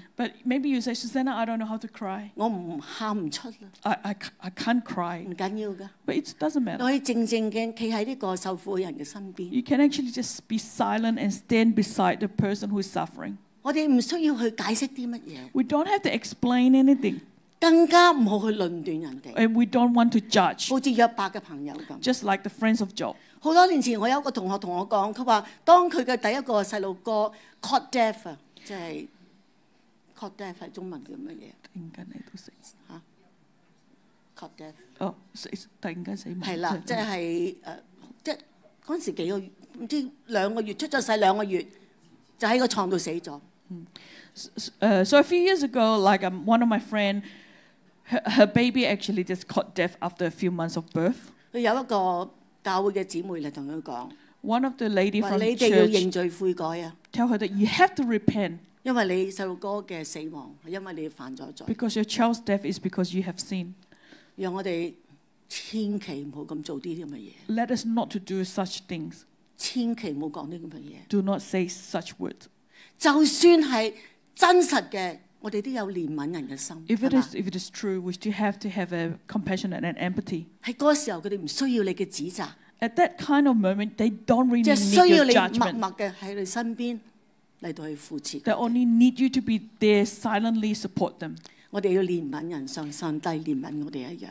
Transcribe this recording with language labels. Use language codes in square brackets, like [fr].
[en] But maybe you say Susanna， I don't know how to cry. [yue] 我唔喊唔出啦。 [en] I can't cry. [yue] 唔緊要噶。 [en] But it doesn't matter. [yue] 你可以靜靜嘅企喺呢個受苦人嘅身邊。 [en] You can actually just be silent and stand beside the person who is suffering. [yue] 我哋唔需要去解釋啲乜嘢。 [en] We don't have to explain anything. [yue] 更加唔好去論斷人哋。 [en] And we don't want to judge。 [yue] 好似約伯嘅朋友咁。 [en] Just like the friends of Job。 [yue] 好多年前，我有一個同學同我講，佢話當佢嘅第一個細路哥 [en] caught deaf [yue] 啊，即係 caught deaf 係中文叫乜嘢？突然間你都死 [en] 嚇 ？caught deaf。 [yue] 哦，死！突然間死埋。係啦，即係即係嗰陣時幾個月，唔知兩個月出咗世兩個月，就喺個牀度死咗。嗯。 [en] So a few years ago, like one of my friend。 Her baby actually just caught deaf after a few months of birth. [yue] 佢有一個教會嘅姊妹嚟同佢講。 [en] One of the lady from the church. [yue] 話你哋要認罪悔改啊。 [en] Tell her that you have to repent. [yue] 因為你細路哥嘅死亡係因為你犯咗罪。 [en] Because your child's death is because you have sinned. [yue] 讓我哋千祈唔好咁做啲咁嘅嘢。 [en] Let us not to do such things. [yue] 千祈唔好講啲咁嘅嘢。 [en] Do not say such words. [yue] 就算係真實嘅。我哋都有憐憫人嘅心，係嘛 [en] ？If it is true, we still have to have a compassion and an empathy。 [yue] 喺嗰時候，佢哋唔需要你嘅指責。 [en] At that kind of moment, they don't really need your [yue] 就需要你默默嘅喺你身邊嚟到去扶持。 [en] They only need you to be there silently support them。 [yue] 我哋要憐憫人，像上帝憐憫我哋一樣。